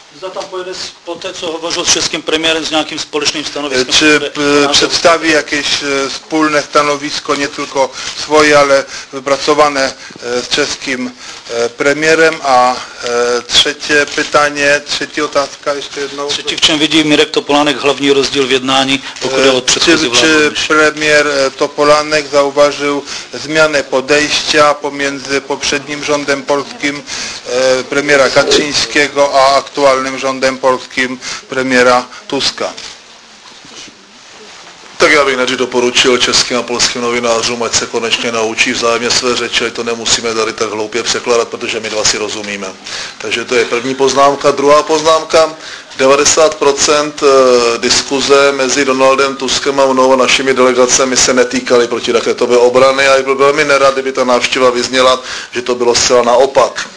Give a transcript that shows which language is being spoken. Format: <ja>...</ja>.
<cs>Zatem pojede po té, co hovořil s českým premiérem, s nějakým společným stanoviskem.</cs> <pl>Czy představí jakieś wspólne stanowisko, nie tylko swoje, ale wypracowane z</pl> <cs>českým premiérem? A třetí</cs> <pl>pytanie,</pl> <cs>třetí otázka ještě jednou. Třetí, v čem vidí Mirek Topolánek hlavní rozdíl v jednání, pokud je o předchozí vládu?</cs> <pl>Czy premiér Topolánek zauważył zmianę podejścia pomiędzy poprzednim rządem polskim premiéra Kaczyńskiego a aktualnym rządem polským premiéra Tuska?</pl> <cs>Tak já bych nejdřív doporučil českým a polským novinářům, ať se konečně naučí vzájemně své řeči, ať to nemusíme tady tak hloupě překládat, protože my dva si rozumíme. Takže to je první poznámka. Druhá poznámka, 90% diskuze mezi Donaldem Tuskem a mnou a našimi delegacemi se netýkaly protiraketové obrany a já byl velmi nerad, kdyby ta návštěva vyzněla, že to bylo zcela naopak.</cs>